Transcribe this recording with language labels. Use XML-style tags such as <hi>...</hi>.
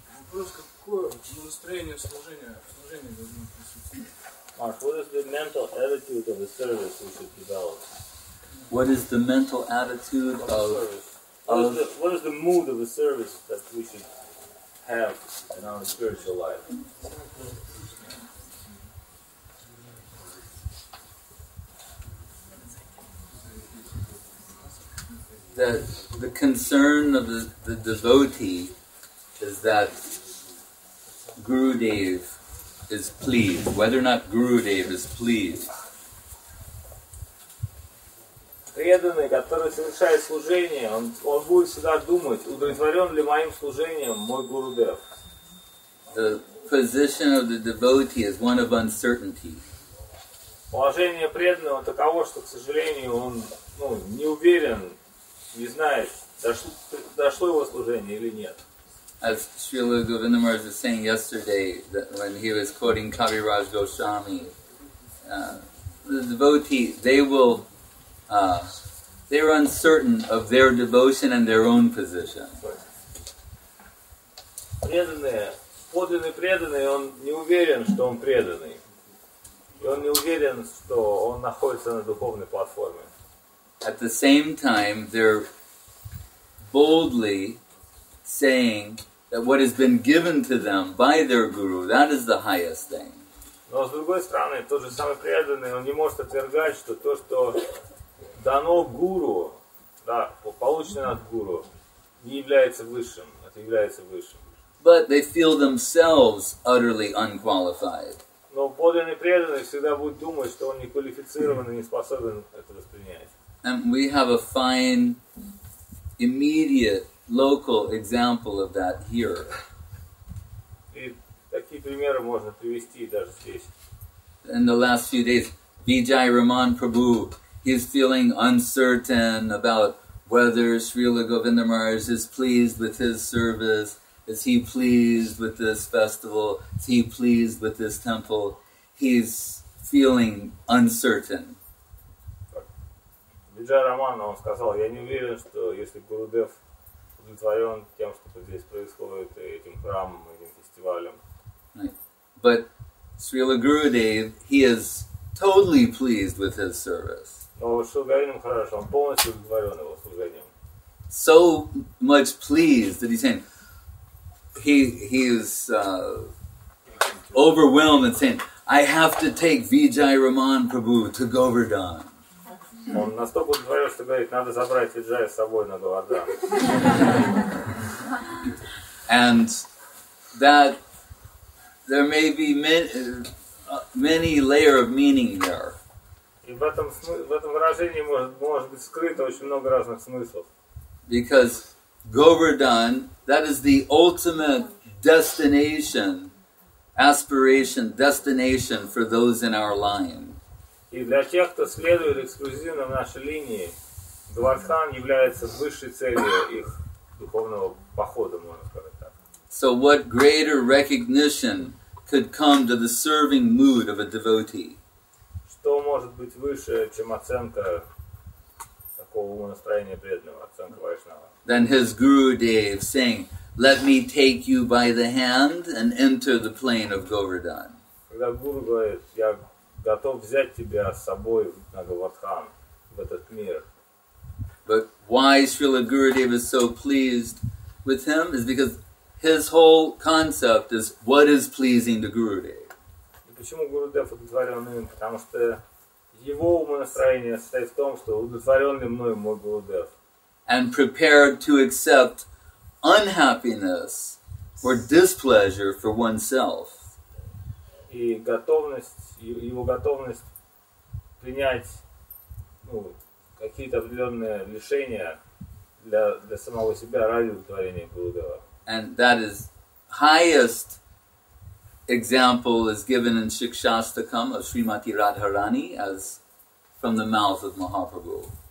<ru>Вопрос, какое настроение служения, должно присутствовать?</ru> <en>Mark, what is the mental attitude of the service we should develop? What is the mental attitude of the service? What is the mood of the service that we should have in our spiritual life? That the concern of the devotee is that Gurudev is pleased, whether or not Gurudev is pleased.</en> <ru>Преданный, который совершает служение, он будет всегда думать, удовлетворен ли моим служением мой Гурудев.</ru> <en>The position of the devotee is one of uncertainty.</en> <ru>Положение преданного таково, что, к сожалению, он не уверен, не знает, дошло его служение или нет.</ru> <en>As Srila Govinda Maharaj was saying yesterday, that when he was quoting Kaviraj Goswami, the devotee, they're uncertain of their devotion and their own position.</en> <ru>Преданный, подлинный преданный, он не уверен, что он преданный. И он не уверен, что он находится на духовной платформе.</ru> <en>At the same time, they're boldly saying that what has been given to them by their guru, that is the highest thing.</en> <ru>Но с другой стороны, тот же самый преданный, он не может отвергать, что то, что дано гуру, да, получено от гуру, не является высшим, это является высшим.</ru> <en>But they feel themselves utterly unqualified.</en> <ru>Но подлинный преданный всегда будет думать, что он не квалифицирован и не способен это воспринять.</ru> <en>And we have a fine, immediate, local example of that here.</en> <ru>И такие примеры можно привести даже здесь.</ru> <en>In the last few days, Vijay Raman Prabhu, he's feeling uncertain about whether Srila Govinda Maharaj is pleased with his service, is he pleased with this festival, is he pleased with this temple. He's feeling uncertain.</en> <ru>Виджай Раман, он сказал, я не уверен, что если Гурудев удовлетворен тем, что здесь происходит, этим храмом, этим фестивалем.</ru> <en>But Srila Gurudev, he is totally pleased with his service.</en> <ru>Но Шрила Гурудев хорошо, он полностью удовлетворен его служением.</ru> <en>So much pleased that he's saying, he is overwhelmed and saying, I have to take Vijay Raman Prabhu to Govardhan.</en> <ru>Он настолько удовлетворен, что говорит, надо забрать Виджая с собой на Говардхан.</ru> <en>And that there may be many layer of meaning there.</en> <ru>И в этом выражении может быть скрыто очень много разных смыслов.</ru> <en>Because Govardhan, that is the ultimate destination, aspiration, destination for those in our line.</en> <ru>И для тех, кто следует эксклюзивно в нашей линии, Говардхан является высшей целью их духовного похода, можно сказать так.</ru> <en>So what greater recognition could come to the serving mood of a devotee?</en> <ru>Что может быть выше, чем оценка такого настроения преданного, оценка вайшнава?</ru> <en>Than his Gurudev saying, let me take you by the hand and enter the plane of Govardhan.</en> <ru>Когда гуру говорит, я готов взять тебя с собой на Говардхан, в этот мир.</ru> <en>But why Srila Gurudev is so pleased with him is because his whole concept is what is pleasing to Gurudev.</en> <ru>И почему Гурудев удовлетворен им? Потому что его умонастроение состоит в том, что удовлетворен ли мной мой Гурудев.</ru> <en>And prepared to accept unhappiness or displeasure for oneself.</en> <ru>И готовность, его готовность принять какие-то определенные лишения для самого себя ради удовлетворения Гурудева.</ru> <en>And that is highest example is given in Shikshastakam of Srimati Radharani as from the mouth of Mahaprabhu.</en>